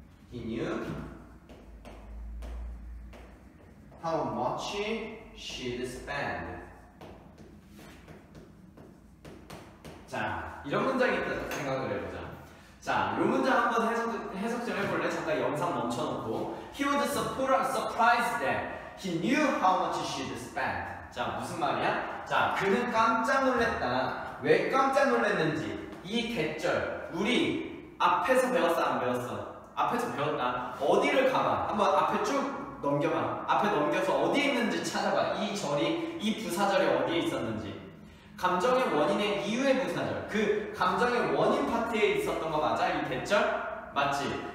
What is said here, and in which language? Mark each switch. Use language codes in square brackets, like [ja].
[en] he knew how much she'd spend. [ko] 자, 이런 문장이 있다 생각을 해보자. 자, 이 문장 한번 해석 좀 해볼래? 잠깐 영상 멈춰놓고. [en] He was surprised that he knew how much she'd spend. [ko] 자, 무슨 말이야? 자, 그는 깜짝 놀랐다. 왜 깜짝 놀랐는지. 이 대절, 우리 앞에서 배웠어? 안 배웠어? 앞에서 배웠다. 어디를 가봐. 한번 앞에 쭉 넘겨봐. 앞에 넘겨서 어디 있는지 찾아봐. 이 절이, 이 부사절이 어디에 있었는지. 감정의 원인의 이유의 부사절. 그 감정의 원인 파트에 있었던 거 맞아? 이 대절? 맞지?